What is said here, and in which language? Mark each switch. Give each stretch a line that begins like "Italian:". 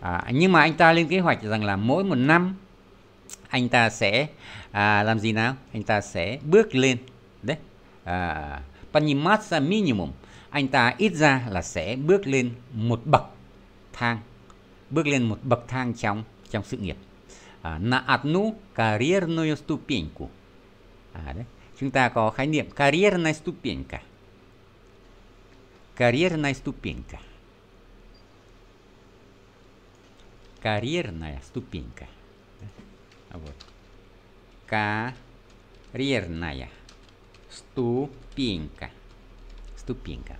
Vietnamese: Nhưng mà anh ta lên kế hoạch rằng là mỗi 1 năm anh ta sẽ làm gì nào? Anh ta sẽ bước lên đấy. Подниматься minimum. Anh ta ít ra là sẽ bước lên một bậc thang. Bước lên một bậc thang trong trong sự nghiệp.
Russian: На одну карьерную ступеньку.
Vietnamese: Đấy. Chúng ta có khái niệm карьерная ступенька.
Russian: Карьерная ступенька. Карьерная ступенька. Вот. Карьерная ступенька. Ступенька.